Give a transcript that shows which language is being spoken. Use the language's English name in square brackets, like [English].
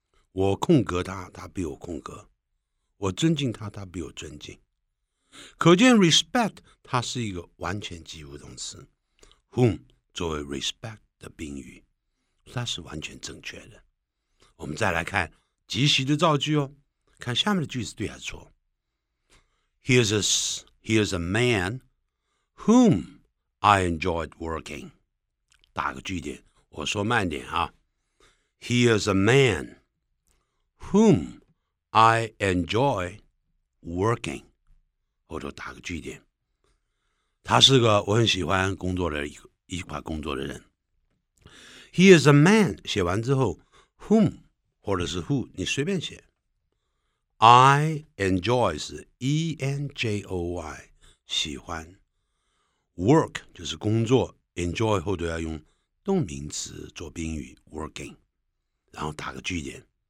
[Chinese] 我空格它，它比我空格，我尊敬它，它比我尊敬，可见 respect 它是一个完全及物动词， whom 作为 respect 的宾语，它是完全正确的。我们再来看及时的造句哦，看下面的句子对还是错。 [English] He is a man whom I enjoyed working， [Chinese] 打个句点，我说慢点啊。 [English] He is a man whom I enjoy working， [Chinese] 后头打个句点，他是个我很喜欢工作的一块工作的人。 He is a man 写完之后 whom 或者是 who 你随便写，I enjoy 是 E-N-J-O-Y， 喜欢， work 就是工作， enjoy 后都要用动名词做宾语 working， 然后打个句点。